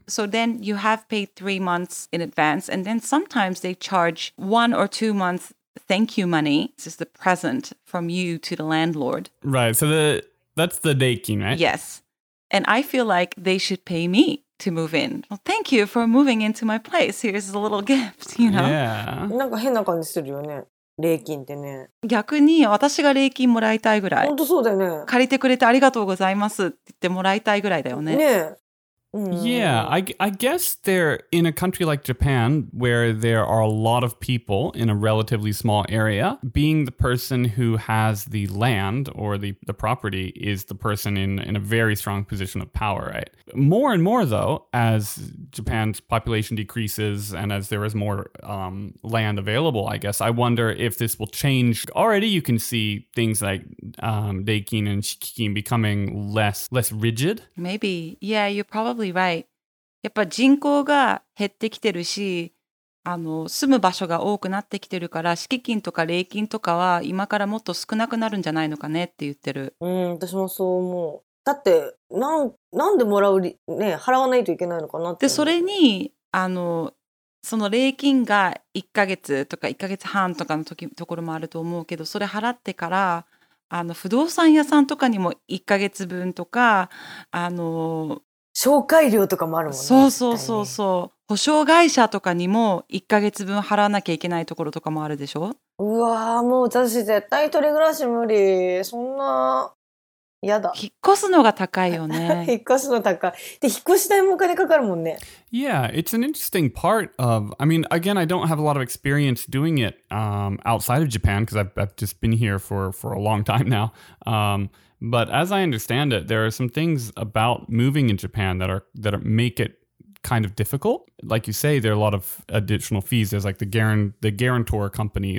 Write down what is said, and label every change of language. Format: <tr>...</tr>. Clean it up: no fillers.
<en>So then you have paid 3 months in advance. And then sometimes they charge 1 or 2 months thank you money. This is the present from you to the landlord. Right. So that's the deikin, right? Yes. And I feel like they should pay me to move in. Well, thank you for moving into my place. Here's a little gift, you know? Yeah.</en> <ja>なんか変な感じするよね。礼金ってね。逆に私が礼金もらいたいぐらい。本当そうだよね。借りてくれてありがとうございますって言ってもらいたいぐらいだよね。ね。</ja> <en>Yeah, I guess they're in a country like Japan where there are a lot of people in a relatively small area. Being the person who has the land or the property is the person in a very strong position of power, right? More and more, though, as Japan's population decreases and as there is more land available, I guess, I wonder if this will change. Already you can see things like Daikin and Shikikin becoming less rigid. Maybe. Yeah, you're probably right.</en> <ja>やっぱ人口が減ってきてるし、住む場所が多くなってきてるから、敷金とか礼金とかは今からもっと少なくなるんじゃないのかねって言ってる。うん、私もそう思う。だって、なんでもらうね、払わないといけないのかなって。で、それに、その礼金が1ヶ月とか1ヶ月半とかの時ところもあると思うけど、それ払ってから、不動産屋さんとかにも1ヶ月分とか、紹介料とかもあるもんね。そうそうそうそう。保証会社とかにも1ヶ月分払わなきゃいけないところとかもあるでしょ？うわぁ、もう私絶対一人暮らし無理。そんな、やだ。引っ越すのが高いよね。引っ越すの高い。で、引っ越し代もお金かかるもんね。</ja> <en>Yeah, it's an interesting part of... I mean, again, I don't have a lot of experience doing it outside of Japan because I've just been here for a long time now. But as I understand it, there are some things about moving in Japan that make it kind of difficult. Like you say, there are a lot of additional fees. There's like the guarantor company.</en>